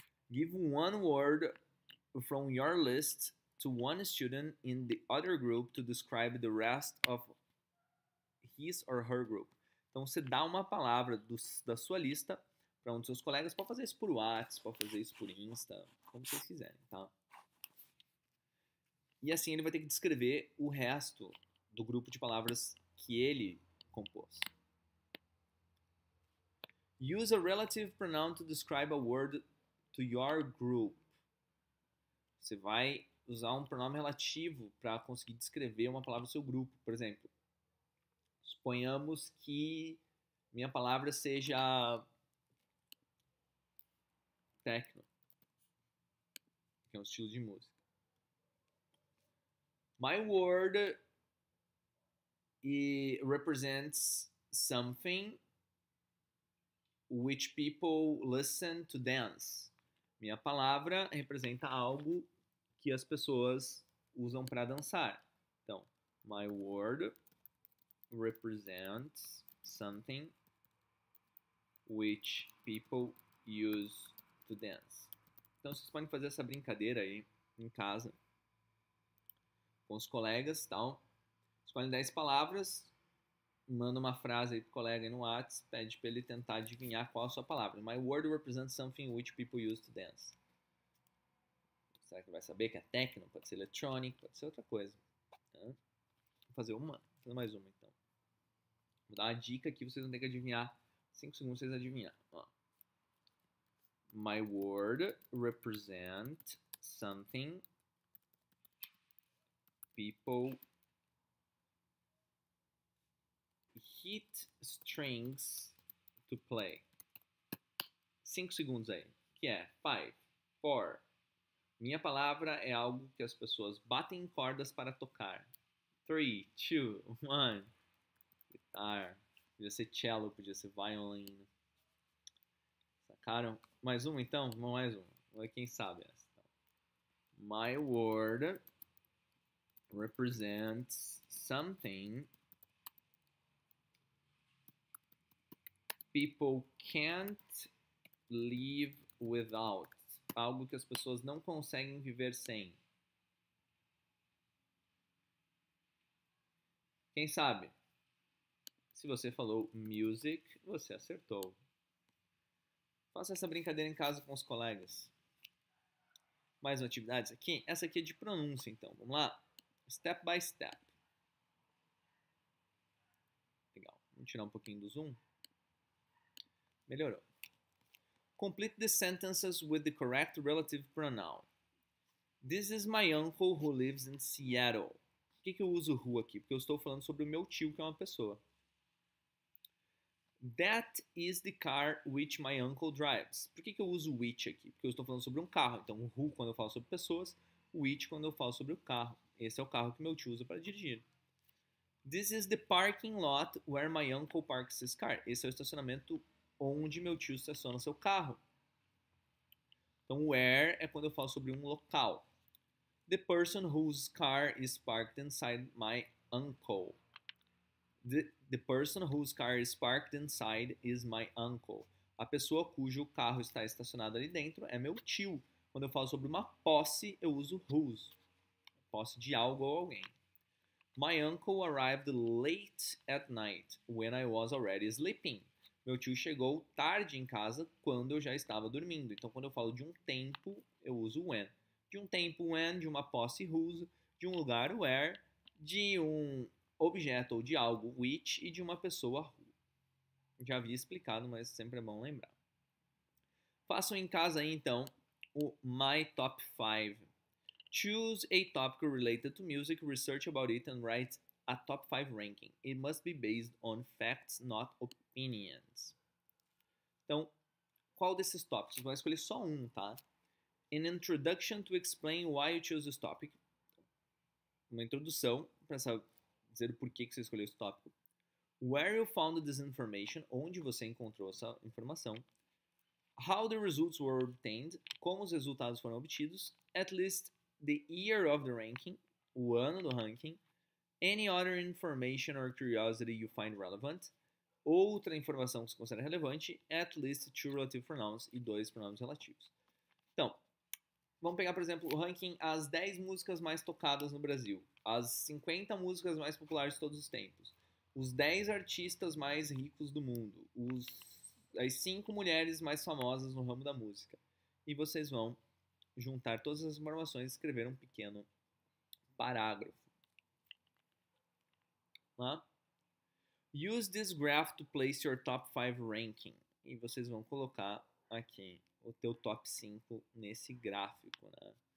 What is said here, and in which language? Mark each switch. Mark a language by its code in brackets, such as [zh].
[en] Give one word from your list to one student in the other group to describe the rest of his or her group. [pt] Então, você dá uma palavra da sua lista para um dos seus colegas. Pode fazer isso por WhatsApp, pode fazer isso por Insta, como vocês quiserem, tá? E assim, ele vai ter que descrever o resto do grupo de palavras que ele compôs. [en] Use a relative pronoun to describe a word to your group. [pt] Você vai usar um pronome relativo para conseguir descrever uma palavra do seu grupo. Por exemplo, suponhamos que minha palavra seja techno, que é um estilo de música. [en] My word represents something which people listen to dance. [pt] Minha palavra representa algo que as pessoas usam para dançar. [en] Então, my word represents something which people use to dance. [pt] Então, vocês podem fazer essa brincadeira aí em casa com os colegas e tal. Escolhe 10 palavras, manda uma frase aí pro colega aí no WhatsApp, pede para ele tentar adivinhar qual a sua palavra. [en] My word represents something which people use to dance. [pt] Será que ele vai saber que é techno? Pode ser electronic, pode ser outra coisa. Então, vou fazer mais uma então. Vou dar uma dica aqui, vocês vão ter que adivinhar. 5 segundos vocês adivinhar. Ó. [en] My word represents something people hit strings to play. [pt] 5 segundos aí. Que é 5, 4. Minha palavra é algo que as pessoas batem em cordas para tocar. 3, 2, 1. Guitar. Podia ser cello, podia ser violin. Sacaram? Mais uma então? Vamos mais uma. Quem sabe essa? [en] My word represents something people can't live without. [pt] Algo que as pessoas não conseguem viver sem. Quem sabe? Se você falou music, você acertou. Faça essa brincadeira em casa com os colegas. Mais atividades aqui? Essa aqui é de pronúncia, então. Vamos lá? [en] Step by step. [pt] Legal. Vamos tirar um pouquinho do zoom. Melhorou. [en] Complete the sentences with the correct relative pronoun. This is my uncle who lives in Seattle. [pt] Por que que eu uso who aqui? Porque eu estou falando sobre o meu tio, que é uma pessoa. [en] That is the car which my uncle drives. [pt] Por que que eu uso which aqui? Porque eu estou falando sobre um carro. Então, who quando eu falo sobre pessoas, which quando eu falo sobre o carro. Esse é o carro que meu tio usa para dirigir. [en] This is the parking lot where my uncle parks his car. [pt] Esse é o estacionamento onde meu tio estaciona seu carro. Então, where é quando eu falo sobre um local. [en] The person whose car is parked inside my uncle. The person whose car is parked inside is my uncle. [pt] A pessoa cujo carro está estacionado ali dentro é meu tio. Quando eu falo sobre uma posse, eu uso whose. Posse de algo ou alguém. [en] My uncle arrived late at night when I was already sleeping. [pt] Meu tio chegou tarde em casa quando eu já estava dormindo. Então, quando eu falo de um tempo, eu uso when. De um tempo, when, de uma posse, whose, de um lugar, where, de um objeto ou de algo, which, e de uma pessoa, who. Já havia explicado, mas sempre é bom lembrar. Façam em casa, então, o My Top 5. [en] Choose a topic related to music, research about it, and write a top 5 ranking. It must be based on facts, not opinions. [pt] Então, qual desses tópicos? Vou escolher só um, tá? [en] An introduction to explain why you chose this topic. [pt] Uma introdução para dizer por que você escolheu esse tópico. [en] Where you found this information? [pt] Onde você encontrou essa informação? [en] How the results were obtained? [pt] Como os resultados foram obtidos? [en] At least the year of the ranking, [pt] o ano do ranking, [en] any other information or curiosity you find relevant, [pt] outra informação que você considera relevante, [en] at least two relative pronouns [pt] e dois pronomes relativos. Então, vamos pegar, por exemplo, o ranking as 10 músicas mais tocadas no Brasil, as 50 músicas mais populares de todos os tempos, os 10 artistas mais ricos do mundo, as 5 mulheres mais famosas no ramo da música. E vocês vão juntar todas as informações e escrever um pequeno parágrafo. [en] Use this graph to place your top 5 ranking. [pt] E vocês vão colocar aqui o teu top 5 nesse gráfico, né?